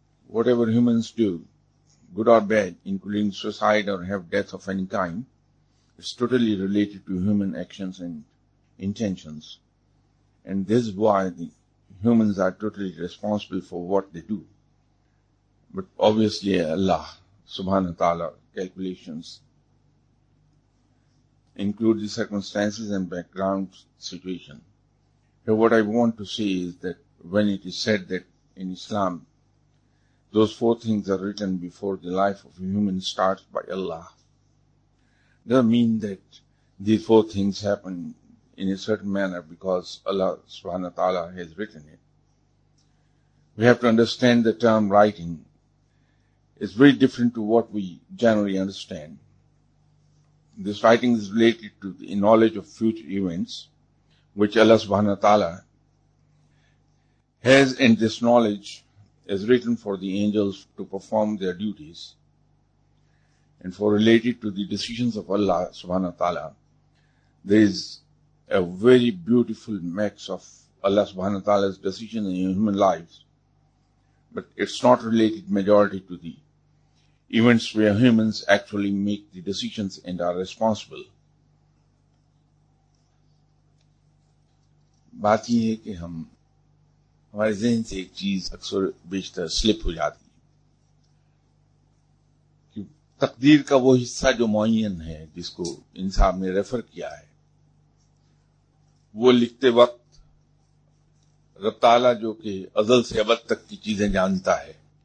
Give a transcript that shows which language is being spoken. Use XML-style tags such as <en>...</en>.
<en>What ever humans do, good or bad, including suicide or have death of any kind, it's totally related to human actions and intentions, and this why the humans are totally responsible for what they do, but obviously Allah सुभान व तआला calculations include the circumstances and background situation. Here, what I want to say is that when it is said that in Islam, those four things are written before the life of a human starts by Allah, doesn't mean that these four things happen in a certain manner because Allah subhanahu wa ta'ala has written it. We have to understand the term writing is very different to what we generally understand. This writing is related to the knowledge of future events, which Allah subhanahu wa ta'ala has, and this knowledge is written for the angels to perform their duties and for related to the decisions of Allah subhanahu wa ta'ala. There is a very beautiful mix of Allah subhanahu wa ta'ala's decision in human lives, but it's not related majority to the events where humans actually make the decisions and are responsible.</en> <hi>बात यह है कि हम हमारे जहन से एक चीज अक्सर बेशतर स्लिप हो जाती कि तकदीर का वो हिस्सा जो मुअय्यन है, जिसको इंसान ने रेफर किया है, वो लिखते वक्त रब ताला जो कि अजल से अबद तक की चीजें जानता है,</hi>